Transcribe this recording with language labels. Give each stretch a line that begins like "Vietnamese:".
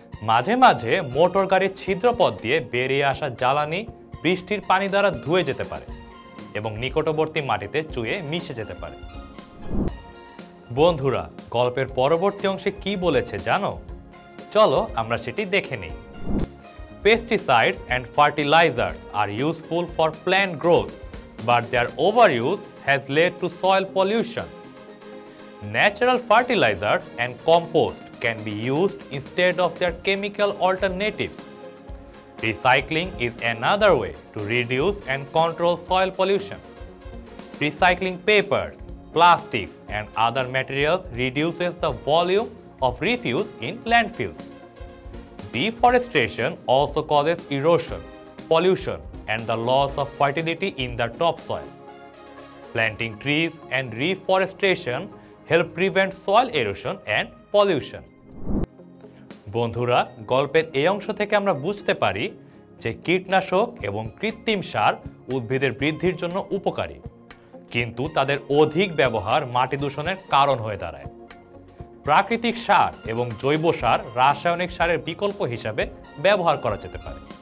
Bangla: মাঝে মাঝে মোটর গাড়ির ছিদ্রপথ দিয়ে বেরিয়ে আসা জ্বালানি বৃষ্টির পানি দ্বারা ধুয়ে যেতে পারে এবং নিকটবর্তী মাটিতে চুয়ে মিশে যেতে পারে। বন্ধুরা, গল্পের পরবর্তী অংশে কী বলেছে জানো? চলো আমরা সেটি দেখে নিই।
English: pesticides and fertilizers are useful for plant growth, but their overuse has led to soil pollution. Natural fertilizers and compost can be used instead of their chemical alternatives. Recycling is another way to reduce and control soil pollution. Recycling papers, plastic, and other materials reduces the volume of refuse in landfills. Deforestation also causes erosion, pollution, and the loss of fertility in the topsoil. Planting trees and reforestation help prevent soil erosion and pollution.
Bangla: বন্ধুরা, গল্পের এই অংশ থেকে আমরা বুঝতে পারি যে কীটনাশক এবং কৃত্রিম সার উদ্ভিদের বৃদ্ধির জন্য উপকারী, কিন্তু তাদের অধিক ব্যবহার মাটি দূষণের কারণ হয়ে দাঁড়ায়। প্রাকৃতিক সার এবং জৈব সার রাসায়নিক সারের বিকল্প হিসাবে ব্যবহার করা যেতে পারে।